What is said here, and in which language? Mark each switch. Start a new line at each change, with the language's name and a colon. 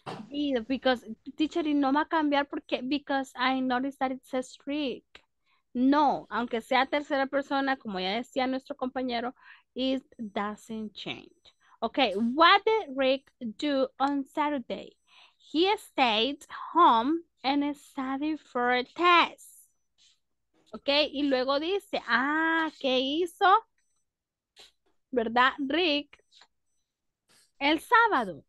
English: Did, because teacher,
Spanish: y no va a cambiar porque,
English: because I noticed that it says Rick.
Spanish: No, aunque sea tercera persona, como ya decía nuestro compañero,
English: it doesn't change. Okay, what did Rick do on Saturday? He stayed home and studied for a test.
Spanish: Okay, y luego dice, ah, ¿qué hizo? ¿Verdad, Rick? El sábado.